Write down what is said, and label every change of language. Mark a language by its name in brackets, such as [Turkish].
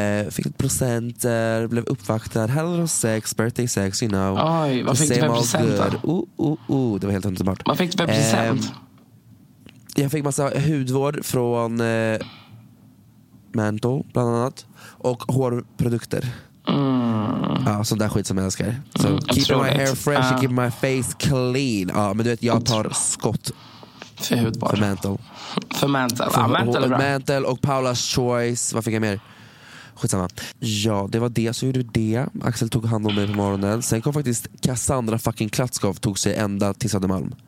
[Swedish] Fick presenter, blev uppvaktad, hade sex, [English] birthday sex, you know. [Swedish] Oj, vad fick du för present good. Då? Det var helt underbart. Vad fick du för present? Jag fick massa hudvård från Mento bland annat. Och hårprodukter. Ja, sån där skit som jag älskar. [English] So, keep my hair fresh and keep my face clean. [Swedish] Ja, men du vet, jag tar skott för hudvård. För Mento. För Mento, ja, Mento är bra. Mento och Paula's Choice. Vad fick jag mer? skitsamma. Ja, det var det, så gjorde du det. Axel tog hand om mig på morgonen. Sen kom faktiskt Cassandra fucking Klatskov, tog sig ända till Södermalm.